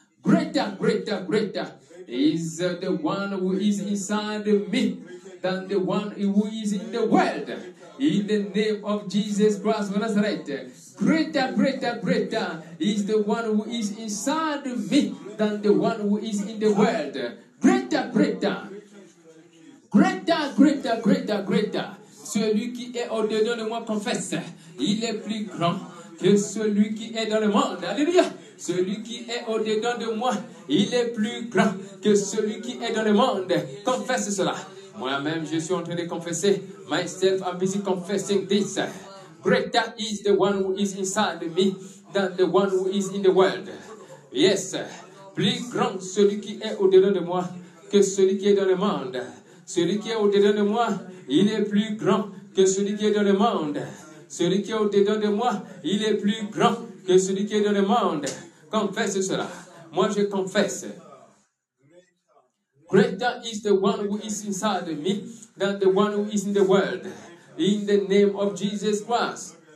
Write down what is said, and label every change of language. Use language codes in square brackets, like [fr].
[en] Greater, greater, greater is the one who is inside me than the one who is in the world. In the name of Jesus Christ of Nazareth, greater, greater, greater is the one who is inside me than the one who is in the world. Greater, greater, greater, greater, greater, greater. [fr] Celui qui est au-dedans de moi confesse, il est plus grand que celui qui est dans le monde. Alléluia. Celui qui est au-dedans de moi, il est plus grand que celui qui est dans le monde. Confesse cela. Moi-même, je suis en train de confesser. [en] Myself, I'm busy confessing this. Greater is the one who is inside me than the one who is in the world. Yes. [fr] Plus grand celui qui est au-dedans de moi que celui qui est dans le monde. Celui qui est au-dedans de moi, il est plus grand que celui qui est dans le monde. Celui qui est au-dedans de moi, il est plus grand que celui qui est dans le monde. Confesse cela. Moi, je confesse. [en] Greater is the one who is inside me than the one who is in the world. In the name of Jesus Christ.